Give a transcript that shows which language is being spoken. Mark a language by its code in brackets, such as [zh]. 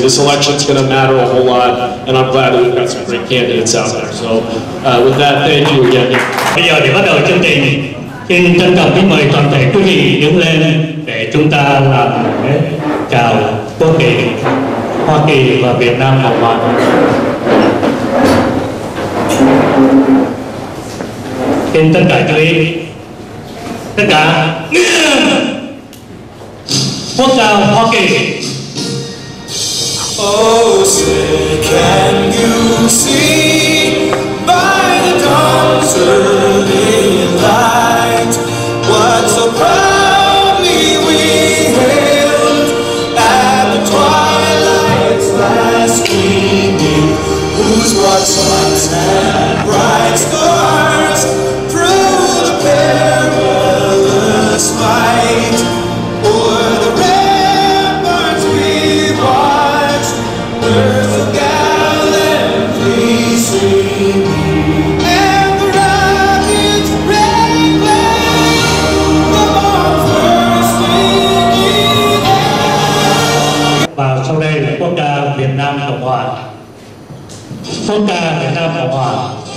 [en] This election's going to matter a whole lot, and I'm glad that we've got some great candidates out there. So with that, thank you again. [vi] Bây giờ thì bắt đầu chương trình. Xin trân trọng kính mời toàn thể quý vị đứng lên để chúng ta làm lễ chào quốc kỳ Hoa Kỳ và Việt Nam Cộng Hòa. Xin tất cả chú ý, tất cả quốc gia Hoa Kỳ. [en] Oh, say can you see by the dawn's early light what so proudly we hailed at the twilight's last gleaming, whose broad sons and bright stars perilous fight, o'er the ramparts we watched, there so gallantly singing, and the rocket's red flame, the bombs bursting in the air. [vi] Và sau đây là quốc ca Việt Nam Cộng Hòa. Quốc ca Việt Nam Cộng Hòa.